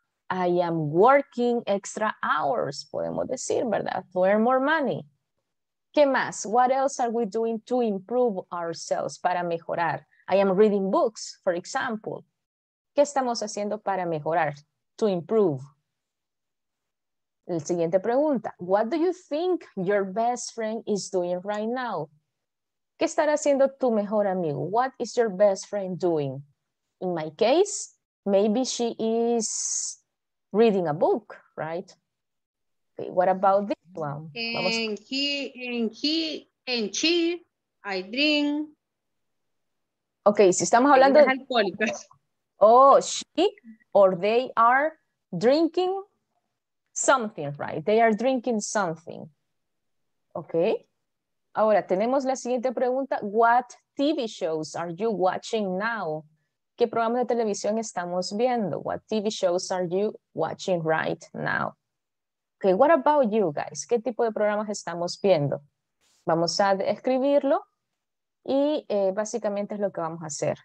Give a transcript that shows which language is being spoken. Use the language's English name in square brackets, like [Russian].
[English] I am working extra hours, [Spanish] podemos decir, ¿verdad? [English] To earn more money. [Spanish] ¿Qué más? [English] What else are we doing to improve ourselves, [Spanish] para mejorar? [English] I am reading books, for example. [Spanish] ¿Qué estamos haciendo para mejorar? [English] To improve. [Spanish] La siguiente pregunta, [English] what do you think your best friend is doing right now? [Spanish] ¿Qué estará haciendo tu mejor amigo? [English] What is your best friend doing? In my case, maybe she is reading a book, right? Okay, what about this one? And she, I drink. [Spanish] Okay, si estamos hablando... alcohólicas. [English] Oh, she or they are drinking something, right? They are drinking something. Okay. [Spanish] Ahora tenemos la siguiente pregunta. [English] What TV shows are you watching now? [Spanish] ¿Qué programas de televisión estamos viendo? [English] What TV shows are you watching right now? [Spanish] Okay, [English] what about you guys? [Spanish] ¿Qué tipo de programas estamos viendo? Vamos a escribirlo y básicamente es lo que vamos a hacer.